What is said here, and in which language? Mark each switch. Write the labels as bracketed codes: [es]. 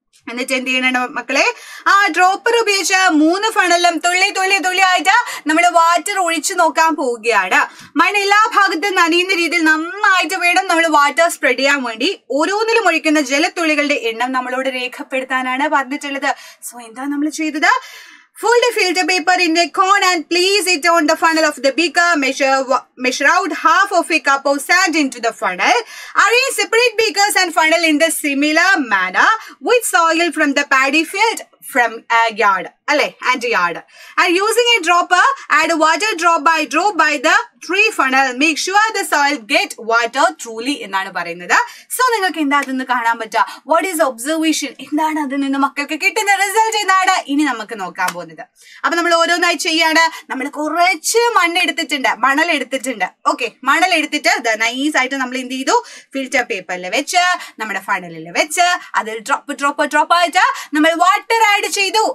[ml] എന്നിട്ട് എന്ത് ചെയ്യണം മക്കളെ, ആ ഡ്രോപ്പർ ഉപയോഗിച്ച് മൂന്ന് ഫണലും തുള്ളി തുള്ളി തുള്ളി ആയിട്ട് നമ്മൾ വാട്ടർ ഒഴിച്ചു നോക്കാൻ പോവുകയാണ്. മണ്ണ് എല്ലാ ഭാഗത്തും നനയുന്ന രീതിയിൽ നന്നായിട്ട് വേണം നമ്മൾ വാട്ടർ സ്പ്രെഡ് ചെയ്യാൻ വേണ്ടി. ഓരോന്നിലും ഒഴിക്കുന്ന ജലത്തുള്ളികളുടെ എണ്ണം നമ്മളോട് രേഖപ്പെടുത്താനാണ് പറഞ്ഞിട്ടുള്ളത്. സോ എന്താ നമ്മൾ ചെയ്തത്? [en] Fold the filter paper in a cone and place it on the funnel of the beaker. Measure out half of a cup of sand into the funnel. Arrange separate beakers and funnel in the similar manner with soil from the paddy field from a yard. Alle, and a yard. And using a dropper, add water drop by drop by the tree funnel. Make sure the soil get water truly. [ml] എന്നാണ് പറയുന്നത്. So നിങ്ങൾക്ക് എന്താ അതിന്ന് കാണാൻ പറ്റുക? [en] What is observation? [ml] എന്താണ് അതിൽ നിന്ന് മക്കൾക്ക് കിട്ടുന്ന റിസൾട്ട്? എന്താണ് ഇനി നമുക്ക് നോക്കാൻ പോകുന്നത്? അപ്പൊ നമ്മൾ ഓരോന്നായി ചെയ്യാണ്. നമ്മൾ കുറച്ച് മണൽ എടുത്തിട്ടുണ്ട്. ഓക്കെ, മണൽ എടുത്തിട്ട് നൈസ് ആയിട്ട് നമ്മൾ എന്ത് ചെയ്തു? ഫിൽറ്റർ പേപ്പറിൽ വെച്ച്, നമ്മുടെ ഫണലിൽ വെച്ച്, അതിൽ ഡ്രോപ്പ് ഡ്രോപ്പ് ഡ്രോപ്പ് ആയിട്ട് നമ്മൾ വാട്ടർ ആഡ് ചെയ്തു.